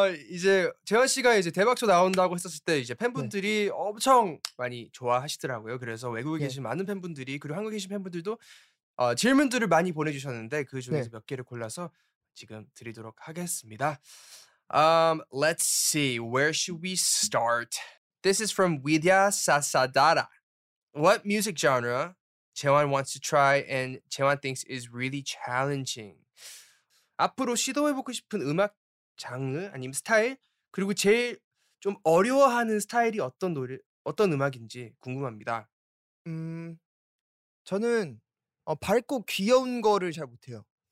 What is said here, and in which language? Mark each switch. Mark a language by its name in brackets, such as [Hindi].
[Korean] 이제 재환 씨가 이제 대박쇼 나온다고 했었을 때 이제 팬분들이 네. 엄청 많이 좋아하시더라고요. 그래서 외국에 계신 네. 많은 팬분들이 그리고 한국에 계신 팬분들도 질문들을 많이 보내주셨는데 그 중에서 네. 몇 개를 골라서 지금 드리도록 하겠습니다. [English] Let's see. Where should we start? This is from Widya Sasadara. What music genre Jaewon wants to try and Jaewon thinks is really challenging? [Korean] 앞으로 시도해보고 싶은 음악 장르 아니면 스타일 그리고 제일 좀 어려워하는 스타일이 어떤 노래 어떤 음악인지 궁금합니다. 저는 밝고 귀여운 거를 잘 못해요.